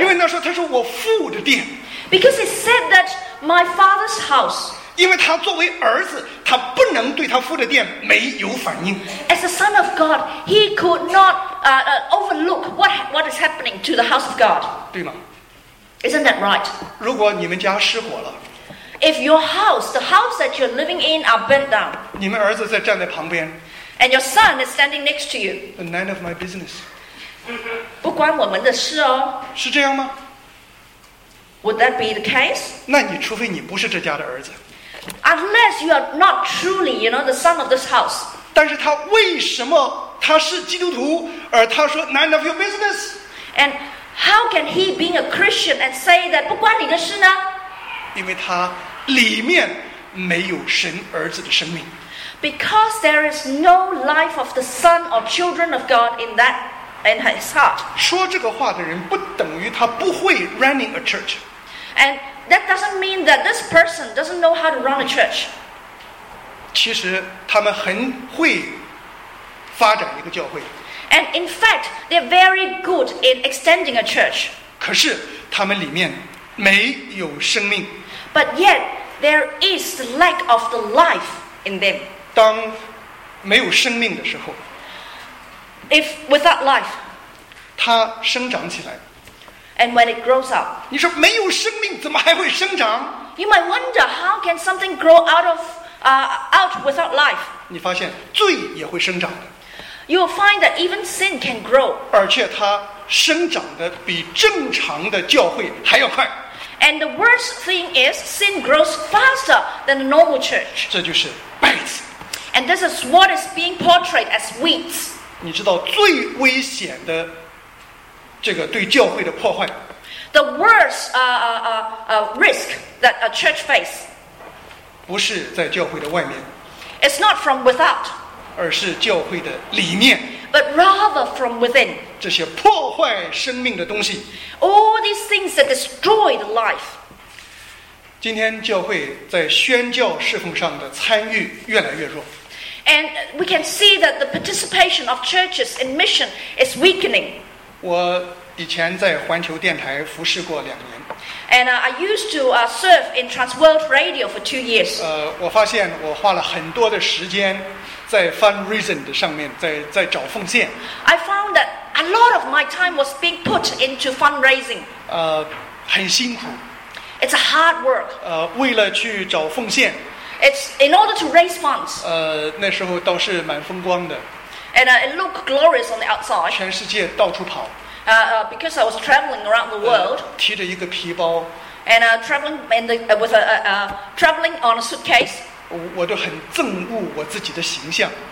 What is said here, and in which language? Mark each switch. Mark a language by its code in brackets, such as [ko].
[zh] 因为那时候他说我父的殿。 [en] Because he said that my father's house. [zh] 因为他作为儿子，他不能对他父的殿没有反应。 [en] As a son of God, he could not overlook what is happening to the house of God. [zh] 对吗？ [en] Isn't that right? [zh] 如果你们家失火了， [en] If your house, the house that you're living in, are burnt down, [zh] 你们儿子在站在旁边， [en] and your son is standing next to you, none of my business. [zh] 不关我们的事哦。是这样吗？ [en] Would that be the case? [zh] 那你除非你不是这家的儿子。 [en] Unless you are not truly, you know, the son of this house. [zh] 但是他为什么他是基督徒，而他说 [en] none of your business? And how can he, being a Christian, and say that [zh] 不关你的事呢？因为他里面没有神儿子的生命。 [en] Because there is no life of the son or children of God in that in his heart. [zh] 说这个话的人不等于他不会 [en] running a church. And. That doesn't mean that this person doesn't know how to run a church. [zh] 其实他们很会发展一个教会。 [en] And in fact, they're very good in extending a church. [zh] 可是他们里面没有生命。 [en] But yet, there is the lack of the life in them. [zh] 当没有生命的时候， [en] If without life, [zh] 它生长起来。 [en] And when it grows up, [zh] 你说没有生命怎么还会生长？ [en] You might wonder how can something grow out of out without life. [zh] 你发现罪也会生长的。 [en] You will find that even sin can grow. [zh] 而且它生长的比正常的教会还要快。 [en] And the worst thing is sin grows faster than a normal church. [zh] 这就是败子。 [en] And this is what is being portrayed as weeds. [zh] 你知道最危险的。这个对教会的破坏。 [en] The worst risk that a church faces. [zh] 不是在教会的外面。 [en] It's not from without. [zh] 而是教会的里面。 [en] But rather from within. [zh] 这些破坏生命的东西。 [en] All these things that destroy the life. [zh] 今天教会在宣教侍奉上的参与越来越弱。 [en] And we can see that the participation of churches in mission is weakening. [zh] 我以前在环球电台服侍过两年。 [en] And I used to serve in Transworld Radio for 2 years. [zh] 我发现我花了很多的时间在 fundraising 的上面，在找奉献。 [en] I found that a lot of my time was being put into fundraising. [zh] 很辛苦。 [en] It's a hard work. [zh] 为了去找奉献。 [en] It's in order to raise funds. [zh] 那时候倒是蛮风光的。 [en] And it looked glorious on the outside. [zh] 全世界到处跑。 [en] Because I was traveling around the world. [zh] 提着一个皮包。 [en] And traveling in the with a traveling on a suitcase. [zh] 我都很憎恶我自己的形象。